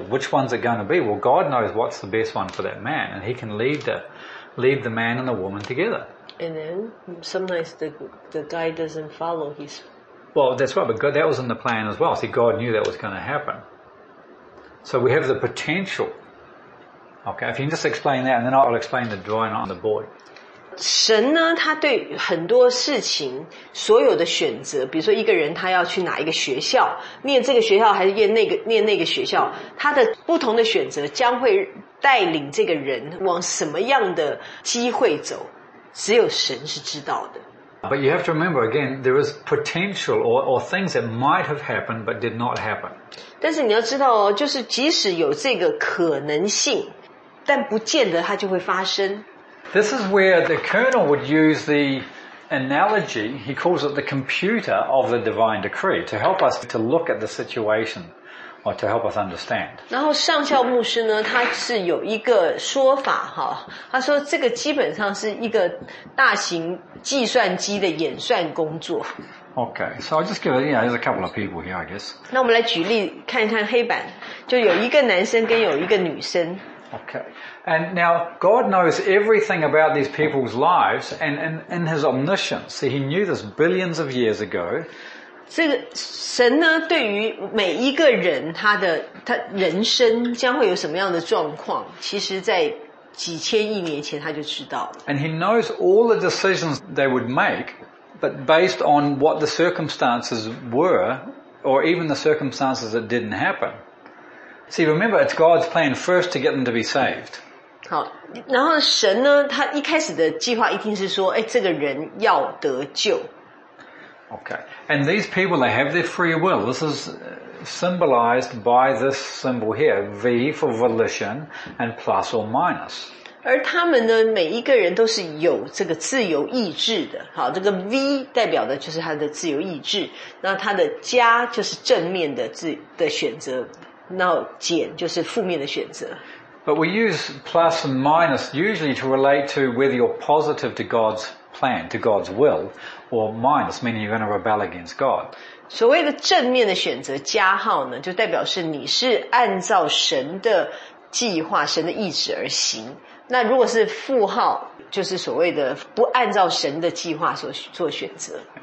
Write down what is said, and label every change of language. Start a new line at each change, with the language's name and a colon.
English: Which one's it going to be? Well, God knows what's the best one for that man, and he can lead the man and the woman together. And then sometimes the guy doesn't follow his... Well, that's right, but God, that was in the plan as well. See, God knew that was going to happen. So we have the potential. Okay, if you can just explain that, and then I'll explain the drawing on the board.
Chinese: 神呢，他对很多事情所有的选择，比如说一个人他要去哪一个学校，念这个学校还是念那个学校，他的不同的选择将会带领这个人往什么样的机会走，只有神是知道的。
English: But you have to remember, again, there is potential or things that might have happened but did not happen.
Chinese: 但是你要知道哦，就是即使有这个可能性，但不见得它就会发生。
English: This is where the Colonel would use the analogy, he calls it the computer of the divine decree, to help us to look at the situation or to help us understand.
Chinese: 然后上校牧师呢，他是有一个说法，他说这个基本上是一个大型计算机的演算工作。
English: Okay, so I'll just give it, there's a couple of people here, I guess.
Chinese: 那我们来举例看一看黑板，就有一个男生跟有一个女生。
English: Okay, and now God knows everything about these people's lives, and in his omniscience, see, he knew this billions of years ago.
Chinese: 这个神呢，对于每一个人他人生将会有什么样的状况，其实在几千亿年前他就知道了。
English: And he knows all the decisions they would make, but based on what the circumstances were, or even the circumstances that didn't happen. See, remember, it's God's plan first to get them to be saved.
Chinese: 好，然后神呢，他一开始的计划一定是说，哎，这个人要得救。
English: Okay, and these people, they have their free will. This is symbolized by this symbol here, V for volition and plus or minus.
Chinese: 而他们呢，每一个人都是有这个自由意志的。好，这个 V 代表的就是他的自由意志，那他的加就是正面的选择，那减就是负面的选择。
English: But we use plus and minus usually to relate to whether you're positive to God's plan, to God's will,or minus, meaning you're going to rebel against God.
Chinese: 所谓的正面的选择加号呢，就代表是你是按照神的计划神的意志而行。那如果是负号，就是所谓的不按照神的计划所做选择。